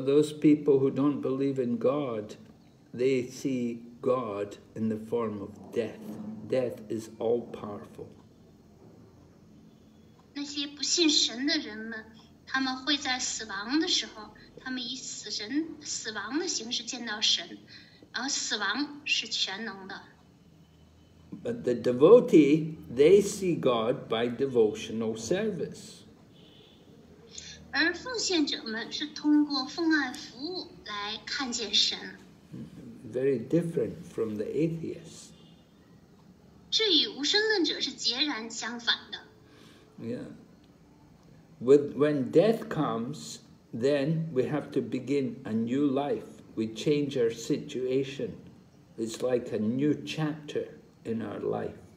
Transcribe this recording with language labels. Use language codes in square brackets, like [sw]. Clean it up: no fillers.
[en] those people who don't believe in God, they see God in the form of death. Death is all powerful. [zh] 那些不信神的人们，他们会在死亡的时候，他们以死神死亡的形式见到神，然后死亡是全能的。 [en] But the devotee, they see God by devotional service. [zh] 而奉献者们是通过奉爱服务来看见神。 [en] Very different from the atheist. [zh] 这与无神论者是截然相反的。 [en] Yeah. When death comes, then we have to begin a new life. We change our situation. It's like a new chapter in our life.